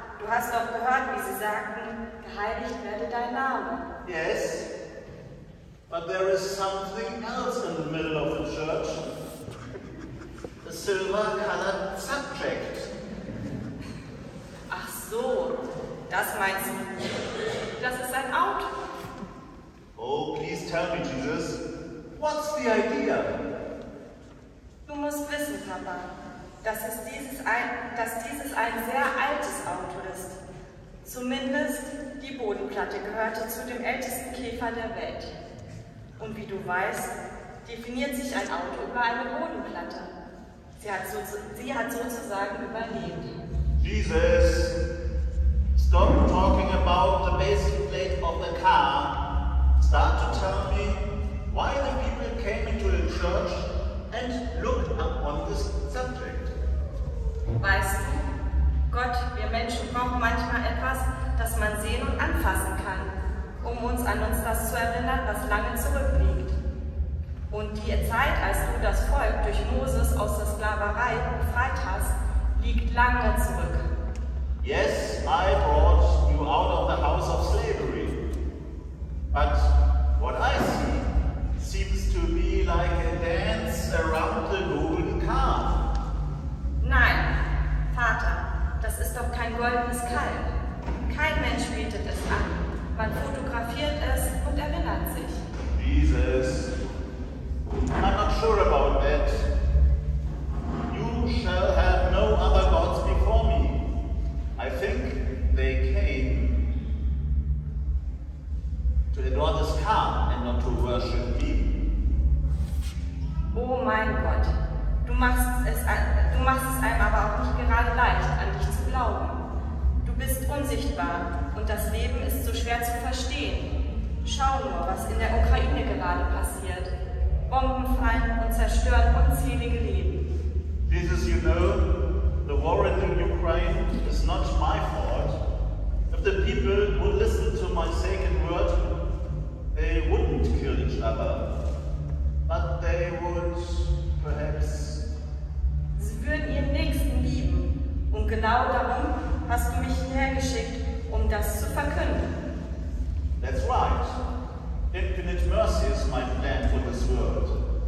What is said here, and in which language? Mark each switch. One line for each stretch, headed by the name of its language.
German: Du hast doch gehört, wie sie sagten, geheiligt werde dein Name.
English: Yes. But there is something else in the middle of the church. A silver-colored subject.
German: Ach so, das meinst du? Das ist ein Auto.
English: Oh, please tell me, Jesus, what's the idea?
German: Du musst wissen, Papa, dass dieses ein sehr altes Auto ist. Zumindest die Bodenplatte gehörte zu dem ältesten Käfer der Welt. Und wie du weißt, definiert sich ein Auto über eine Bodenplatte. Sie hat sozusagen überlebt.
English: Jesus, stop talking about the base plate of the car. Start to tell me why the people came into the church and looked up on this subject.
German: Weißt du, Gott, wir Menschen brauchen manchmal etwas, das man sehen und anfassen kann, um uns an uns das zu erinnern, was lange zurückliegt. Und die Zeit, als du das Volk durch Moses aus der Sklaverei befreit hast, liegt lange zurück.
English: Yes, I brought you out of the house of slavery. But what I see seems to be like a dance around the golden calf.
German: Nein, Vater, das ist doch kein goldenes Kalb. Kein Mensch betet es an. Man fotografiert es und erinnert sich.
English: Jesus, I'm not sure about that. You shall have no other gods before me. I think they came to adore this car and not to worship me.
German: Oh mein Gott, du machst es einem aber auch nicht gerade leicht, an dich zu glauben. Du bist unsichtbar und das Leben ist so schwer zu verstehen. Schau nur, was in der Ukraine gerade passiert. Bomben fallen und zerstören unzählige Leben.
English: Jesus, you know, the war in the Ukraine is not my fault. If the people would listen to my sacred word, they wouldn't kill each other. But they would, perhaps.
German: Sie würden ihren Nächsten lieben. Und genau darum hast du mich hierher geschickt, um das zu verkünden.
English: That's right. Infinite mercy is my plan for this world.